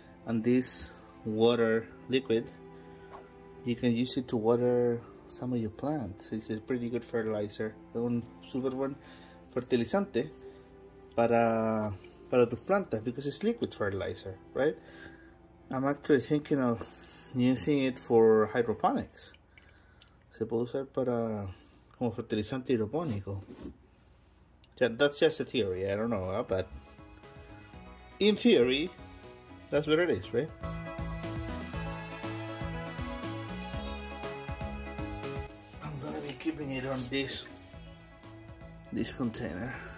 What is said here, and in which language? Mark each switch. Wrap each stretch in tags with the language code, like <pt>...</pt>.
<en>And this water liquid, you can use it to water some of your plants. It's a pretty good fertilizer.</en> <es>Un super buen fertilizante para tus plantas,</es> <en>because it's liquid fertilizer, right? I'm actually thinking of using it for hydroponics.</en> <es>Se puede usar para como fertilizante hidropónico.</es> <en>Yeah, that's just a theory. I don't know, but in theory, that's what it is, right? Keeping it on this container.</en>